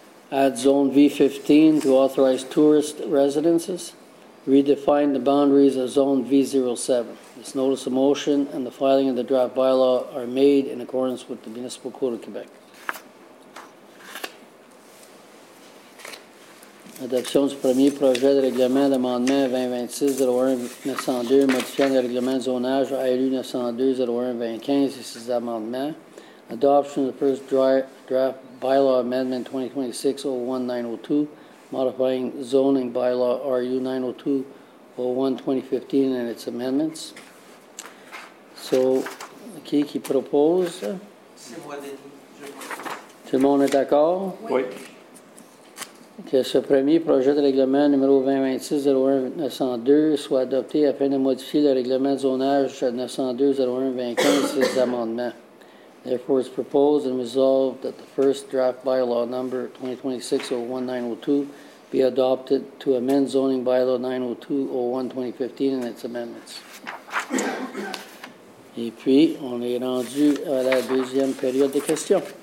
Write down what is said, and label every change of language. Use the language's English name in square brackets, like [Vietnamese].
[English] Add Zone V15 to authorize tourist residences. Redefine the boundaries of Zone V07. This notice of motion and the filing of the draft bylaw are made in accordance with the Municipal Code of Quebec. [French] Adoption du premier projet de règlement d'amendement 2026-01-902, modifiant le règlement de zonage ALU 902-01-25 et ses amendements. [English] Adoption of the first draft bylaw amendment 2026-01-902, modifying zoning bylaw RU 902-01-2015 and its amendments. [French] So, qui propose? C'est moi, Denis. Tout le monde est d'accord? Oui. que ce premier projet de règlement numéro 2026-01-902 soit adopté afin de modifier le règlement de zonage 902-01-25 et ses amendements. [English] Therefore, it's proposed and resolved that the first draft bylaw number 2026-01-902 be adopted to amend zoning bylaw 902-01-2015 and its amendments. [French] Et puis, on est rendu à la deuxième période des questions.